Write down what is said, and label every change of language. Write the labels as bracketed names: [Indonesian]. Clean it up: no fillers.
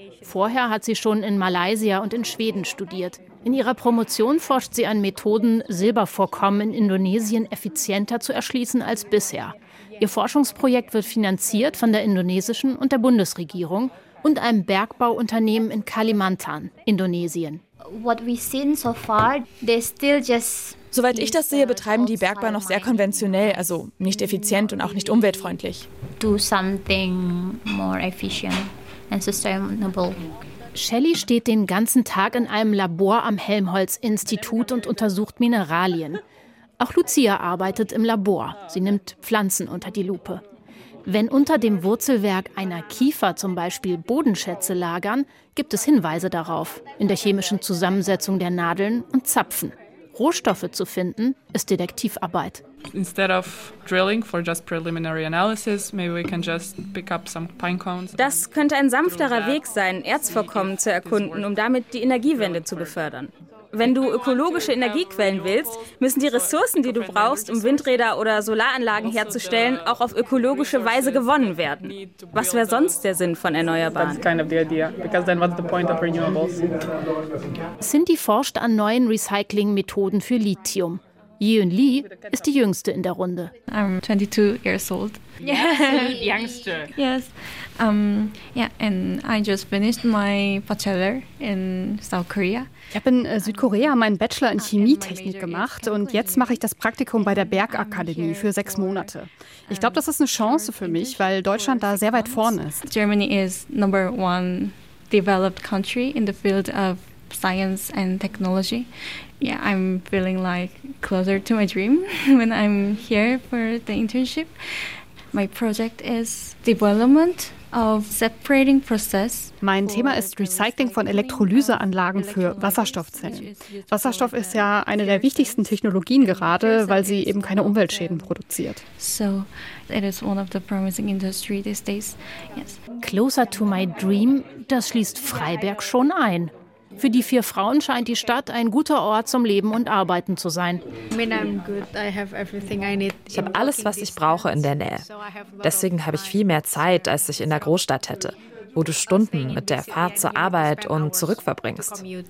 [German] Vorher hat sie schon in Malaysia und in Schweden studiert. In ihrer Promotion forscht sie an Methoden, Silbervorkommen in Indonesien effizienter zu erschließen als bisher. Ihr Forschungsprojekt wird finanziert von der indonesischen und der Bundesregierung und einem Bergbauunternehmen in Kalimantan, Indonesien. [English] What we've seen so far, they still just. [German] Soweit ich das sehe, betreiben die Bergbau noch sehr konventionell, also nicht effizient und auch nicht umweltfreundlich. [English] Do something more efficient and sustainable. [German] Shelley steht den ganzen Tag in einem Labor am Helmholtz-Institut und untersucht Mineralien. Auch Lucia arbeitet im Labor. Sie nimmt Pflanzen unter die Lupe. Wenn unter dem Wurzelwerk einer Kiefer zum Beispiel Bodenschätze lagern, gibt es Hinweise darauf, in der chemischen Zusammensetzung der Nadeln und Zapfen. Rohstoffe zu finden, ist Detektivarbeit. Das könnte ein sanfterer Weg sein, Erzvorkommen zu erkunden, um damit die Energiewende zu befördern. Wenn du ökologische Energiequellen willst, müssen die Ressourcen, die du brauchst, um Windräder oder Solaranlagen herzustellen, auch auf ökologische Weise gewonnen werden. Was wäre sonst der Sinn von Erneuerbaren? [English] That's kind of the idea, because then what's the point of renewables? [German] Cindy forscht an neuen Recycling-Methoden für Lithium. Yiyun Li ist die Jüngste in der Runde. [English] I'm 22 years old. Yes, youngster. Yes. And I just finished my bachelor in South Korea. [German] Ich habe in Südkorea meinen Bachelor in Chemietechnik gemacht und jetzt mache ich das Praktikum bei der Bergakademie für 6 Monate. Ich glaube, das ist eine Chance für mich, weil Deutschland da sehr weit vorne ist. [English] Germany is number one developed country in the field of science and technology. Yeah, I'm feeling like closer to my dream when I'm here for the internship. My project is development of separating process. [German] Mein Thema ist Recycling von Elektrolyseanlagen für Wasserstoffzellen. Wasserstoff ist ja eine der wichtigsten Technologien gerade, weil sie eben keine Umweltschäden produziert. [English] So, it is one of the promising industry these days. Yes. Closer to my dream, [German] das schließt Freiberg schon ein. Für die 4 Frauen scheint die Stadt ein guter Ort zum Leben und Arbeiten zu sein. Ich habe alles, was ich brauche, in der Nähe. Deswegen habe ich viel mehr Zeit, als ich in der Großstadt hätte, wo du Stunden mit der Fahrt zur Arbeit und zurück verbringst.